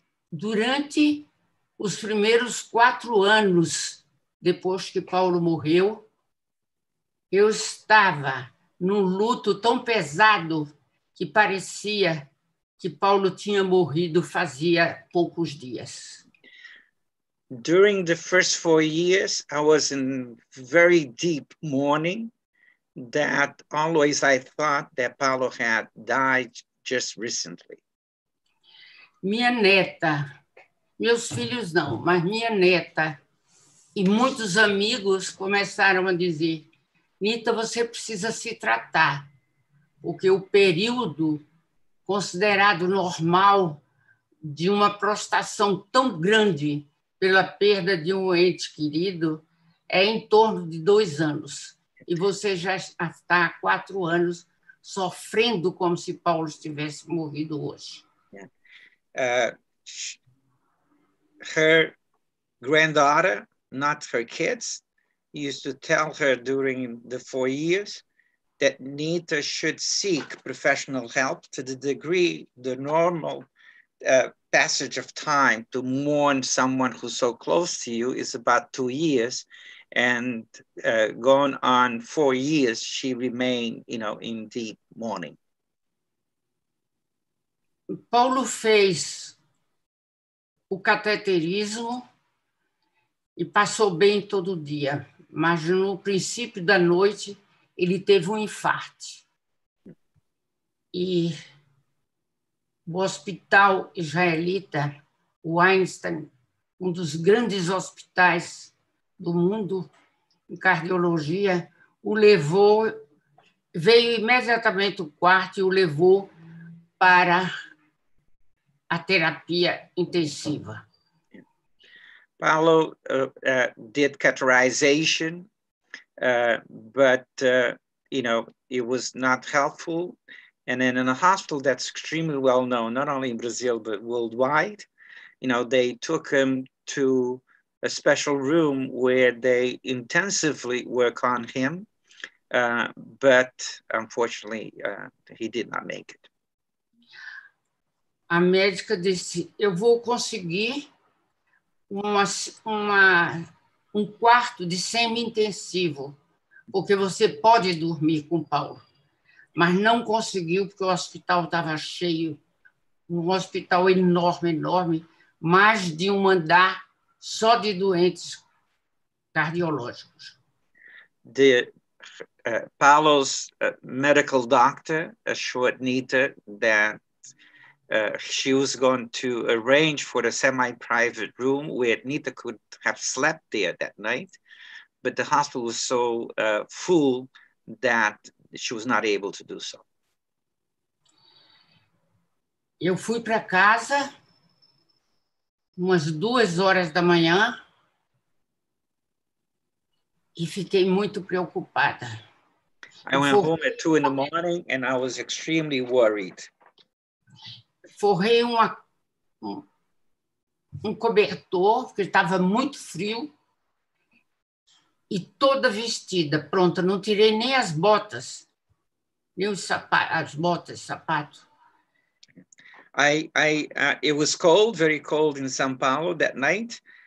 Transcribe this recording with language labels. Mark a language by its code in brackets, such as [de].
[pt] Durante os primeiros 4 anos depois que Paulo morreu, eu estava num luto tão pesado que parecia que Paulo tinha morrido fazia poucos dias. [en] During the first 4 years, I was in very deep mourning that always I thought that Paulo had died just recently. [pt] Minha neta, meus filhos não, mas minha neta e muitos amigos começaram a dizer, Nita, você precisa se tratar, porque o período considerado normal de uma prostração tão grande pela perda de um ente querido é em torno de 2 anos. E você já está há 4 anos sofrendo como se Paulo estivesse morrido hoje. [en] Her granddaughter, not her kids, used to tell her during the 4 years that Nita should seek professional help to the degree the normal passage of time to mourn someone who's so close to you is about 2 years. And going on 4 years, she remained, you know, in deep mourning. [pt] Paulo fez o cateterismo e passou bem todo dia, mas no princípio da noite ele teve um infarto. E o hospital israelita, o Einstein, um dos grandes hospitais do mundo em cardiologia, o levou, veio imediatamente ao quarto e o levou para a terapia intensiva. [en] Paulo did cateterization, but you know, it was not helpful. And then in a hospital that's extremely well known, not only in Brazil but worldwide, you know, they took him to a special room where they intensively work on him, but unfortunately he did not make it. [pt] A médica disse, eu vou conseguir um quarto de semi-intensivo, porque você pode dormir com Paulo. Mas não conseguiu, porque o hospital estava cheio, um hospital enorme, enorme, mais de um andar só de doentes cardiológicos. [en] The Paulo's medical doctor assured Nita that she was going to arrange for a semi-private room where Nita could have slept there that night, but the hospital was so full that she was not able to do so. [pt] Eu fui para casa umas 2 horas da manhã e fiquei muito preocupada. [en] I went home at 2 in the morning and I was extremely worried. [pt] Forrei um cobertor, porque estava muito frio, e toda vestida, pronta. Não tirei nem as botas, nem os sapato. [en] It was cold, very cold in São Paulo that night.